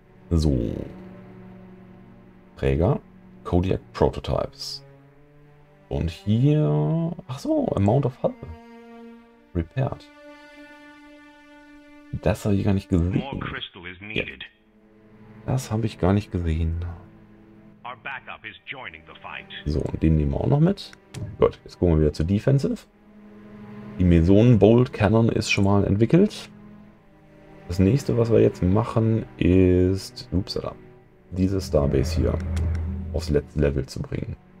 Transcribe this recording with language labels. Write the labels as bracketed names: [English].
[German] So. Träger. Kodiak Prototypes. Und hier... Ach so, [English] Amount of Hull. Repaired. [German] Das habe ich gar nicht gesehen. [English] More crystal is needed. [German] Das habe ich gar nicht gesehen. [English] Our backup is joining the fight. [German] So, und den nehmen wir auch noch mit. Gut, jetzt gucken wir wieder zu Defensive. Die Mesonen Bolt Cannon ist schon mal entwickelt. Das nächste, was wir jetzt machen, ist... Upsala. Diese Starbase hier aufs letzte Level zu bringen.